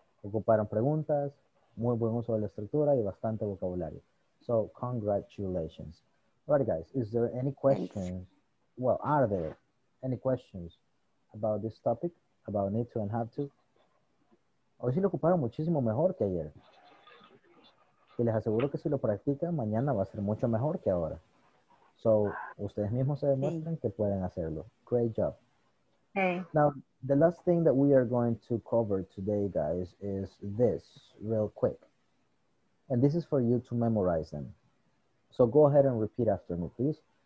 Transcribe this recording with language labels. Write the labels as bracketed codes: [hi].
[es] Ocuparon preguntas, muy buen uso de la estructura y bastante vocabulario. [en] So, congratulations. All right, guys, is there any questions? Thanks. Well, are there any questions about this topic, about need to and have to? [es] Hoy sí lo ocuparon muchísimo mejor que ayer. Y les aseguro que si lo practican, mañana va a ser mucho mejor que ahora. So, ustedes mismos se demuestran que pueden hacerlo. [en] Great job. Hey. Now, the last thing that we are going to cover today, guys, is this real quick. And this is for you to memorize them. So, go ahead and repeat after me, please.